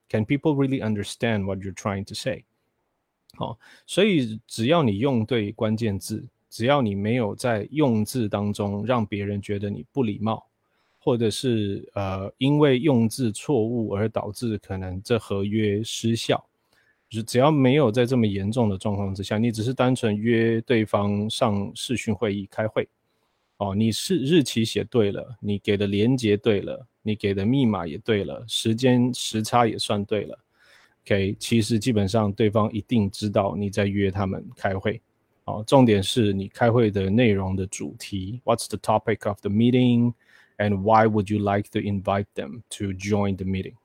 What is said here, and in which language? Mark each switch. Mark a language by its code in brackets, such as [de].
[en] Can people really understand what you're trying to say? [zh] 哦、所以只要你用对关键字，只要你没有在用字当中让别人觉得你不礼貌，或者是、因为用字错误而导致可能这合约失效，就是、只要没有在这么严重的状况之下，你只是单纯约对方上视讯会议开会、哦、你是日期写对了，你给的连结对了，你给的密码也对了，时间时差也算对了，OK, 其实基本上对方一定知道你在约他们开会、哦、重点是你开会的内容的主题 [en] What's the topic of the meeting? And why would you like to invite them to join the meeting?